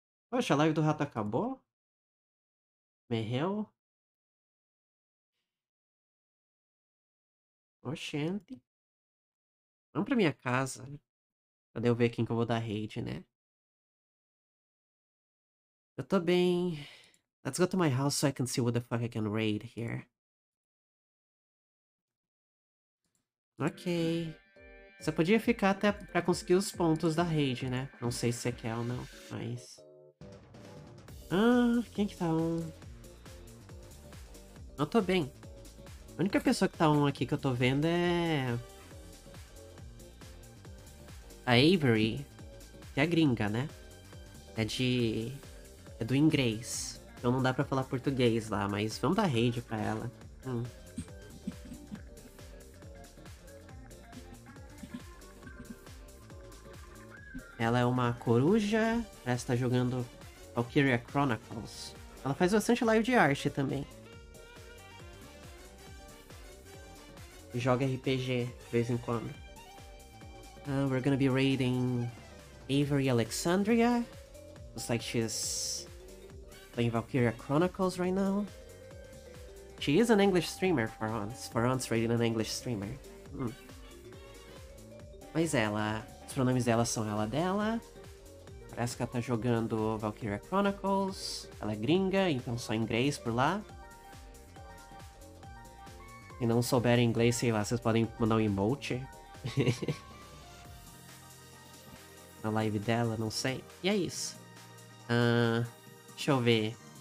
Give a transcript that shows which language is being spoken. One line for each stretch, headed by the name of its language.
Portuguese: Poxa, a live do rato acabou? Merreu? Oxente. Vamos pra minha casa. Pra eu ver quem que eu vou dar raid, né? Eu tô bem.
English: Let's go to my house so I can see what the fuck I can raid here. Ok.
Portuguese: Você podia ficar até pra conseguir os pontos da raid, né? Não sei se você quer ou não, mas. Ah, quem que tá on? Eu tô bem. A única pessoa que tá on aqui que eu tô vendo é. A Avery, que é gringa, né? É de. É do inglês. Então não dá pra falar português lá, mas vamos dar raid pra ela. Ela é uma coruja. Parece que tá jogando Valkyria Chronicles. Ela faz bastante live de arte também. Joga RPG de vez em quando.
English: We're gonna be raiding Avery Alexandria. Looks like she's playing Valkyria Chronicles right now. She is an English streamer for once. For once, raiding an English streamer.
Portuguese: Mas ela. Os pronomes dela são ela dela. Parece que ela tá jogando Valkyria Chronicles. Ela é gringa, então só inglês por lá. E não souber inglês, sei lá, vocês podem mandar um emote na live dela, não sei. E é isso. Deixa eu ver.